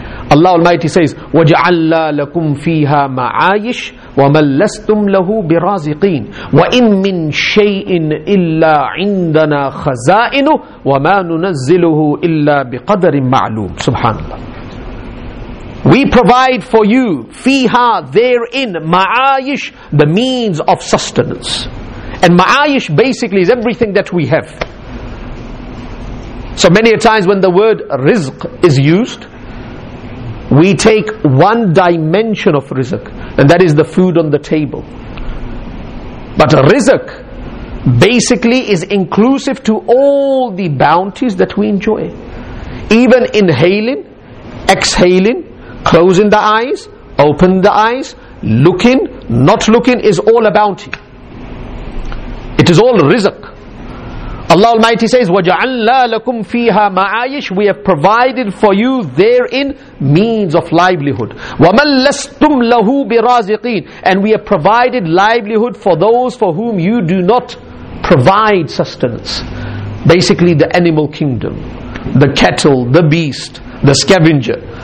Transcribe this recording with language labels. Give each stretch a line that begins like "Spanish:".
English: Allah Almighty says,
Arabic: وَجَعَلَّا لَكُمْ فِيهَا مَعَايِشْ وَمَنْ لَسْتُمْ لَهُ بِرَازِقِينَ وَإِنْ مِنْ شَيْءٍ إِلَّا عِنْدَنَا خَزَائِنُ وَمَا نُنَزِّلُهُ إِلَّا بِقَدَرٍ مَعْلُومٍ. Subhanallah.
English: We provide for you, fiha, therein, ma'ayish, the means of sustenance. And ma'ayish basically is everything that we have. So many a times when the word rizq is used, we take one dimension of rizq, and that is the food on the table. But rizq basically is inclusive to all the bounties that we enjoy. Even inhaling, exhaling, closing the eyes, open the eyes, looking, not looking, is all a bounty. It is all rizq. Allah Almighty says,
Arabic: وَجَعَلَّا لَكُمْ فِيهَا مَعَايِشْ.
English: We have provided for you therein means of livelihood.
Arabic: وَمَنْ لَسْتُمْ لَهُ بِرَازِقِينَ.
English: And we have provided livelihood for those for whom you do not provide sustenance. Basically the animal kingdom, the cattle, the beast, the scavenger.